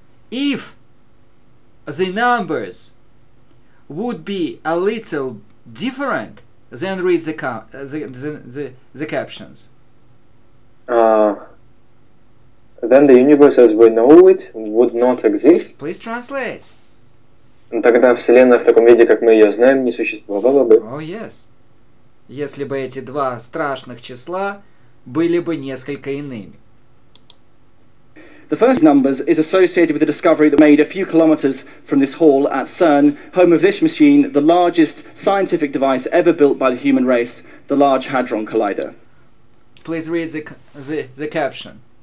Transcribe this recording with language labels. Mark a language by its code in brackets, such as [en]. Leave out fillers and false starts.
[en] If the numbers would be a little different, then read the captions. Then the universe as we know it would not exist. Please translate. [ru] Тогда вселенная в таком виде, как мы ее знаем, не существовала бы. [en] Oh yes. [ru] Если бы эти два страшных числа были бы несколько иными. [en] The first numbers is associated with a discovery that made a few kilometers from this hall at CERN, home of this machine, the largest scientific device ever built by the human race, the Large Hadron Collider. Please read the caption.